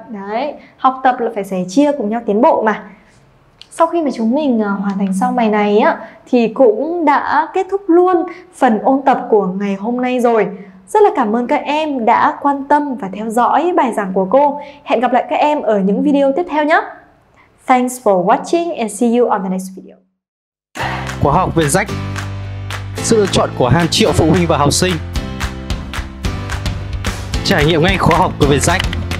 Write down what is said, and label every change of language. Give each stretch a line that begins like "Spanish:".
Vietnamese: Đấy, học tập là phải sẻ chia cùng nhau tiến bộ mà. Sau khi mà chúng mình hoàn thành xong bài này á, thì cũng đã kết thúc luôn phần ôn tập của ngày hôm nay rồi. Rất là cảm ơn các em đã quan tâm và theo dõi bài giảng của cô. Hẹn gặp lại các em ở những video tiếp theo nhé.
English: Thanks for watching and see you on the next video.
Vietnamese: Khóa học Việt Jack, sự lựa chọn của hàng triệu phụ huynh và học sinh. Trải nghiệm ngay khóa học của Việt Jack.